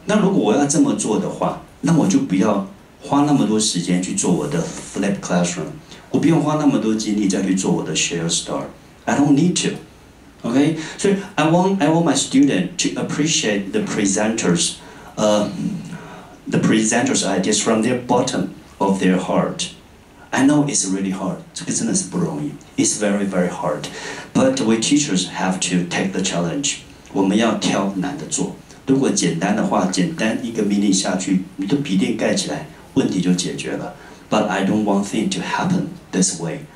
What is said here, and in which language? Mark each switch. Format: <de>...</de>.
<zh>你懂我意思吗？如果我只是一个命令说好，现在大家都不准做其他的事情，要专心听同学报告，大家把笔电盖起来。我回到了，我又回到了传统的那一套了嘛？传统是什么？老师说一动，做一动嘛，对不对？那个是有一点点集权的主义的东西在里头了嘛？那如果我要这么做的话，那我就不要 花那么多时间去做我的flip classroom，我不用花那么多精力再去做我的share start。</zh> <en>I don't need to. Okay, so I want my student to appreciate the presenters' ideas from the bottom of their heart. I know it's really hard.</en> <zh>这个真的是不容易.</zh> <en>It's very very hard. But we teachers have to take the challenge.</en> <zh>我们要挑难的做。如果简单的话，简单一个命令下去，你的笔电盖起来。问题就解决了,</zh> <en>but I don't want things to happen this way.</en>